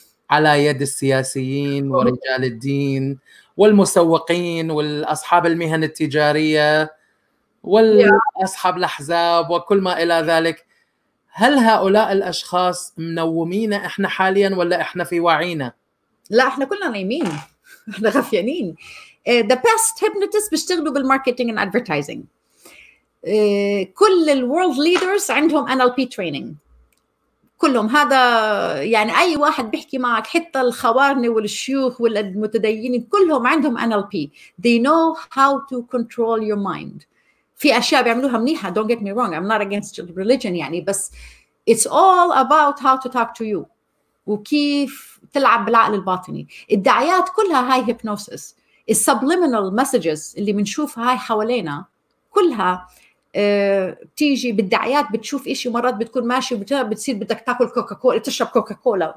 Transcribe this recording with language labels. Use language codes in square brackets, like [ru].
[ar] على يد السياسيين ورجال الدين والمسوقين والأصحاب المهن التجارية والأصحاب الأحزاب وكل ما إلى ذلك؟ هل هؤلاء الأشخاص منومين إحنا حالياً ولا إحنا في وعينا؟ لا، إحنا كلنا نايمين، إحنا غفيانين. [en] The best hypnotists [ar] بيشتغلوا بالماركتينج [en] and advertising. [ar] كل الworld leaders عندهم NLP training كلهم. هذا يعني أي واحد بيحكي معك، حتى الخوارني والشيوخ والمتدينين كلهم عندهم NLP. [en] They know how to control your mind. [ar] في أشياء بيعملوها منيحة. [en] Don't get me wrong. I'm not against religion يعني. [ar] بس [en] it's all about how to talk to you. [ar] وكيف تلعب بالعقل الباطني. الدعايات كلها هاي hypnosis. [en] Subliminal messages [ar] اللي منشوفها هاي حوالينا كلها تيجي بالدعايات. بتشوف إشي مرات بتكون ماشي بتصير بدك تأكل كوكاكولا، تشرب كوكاكولا.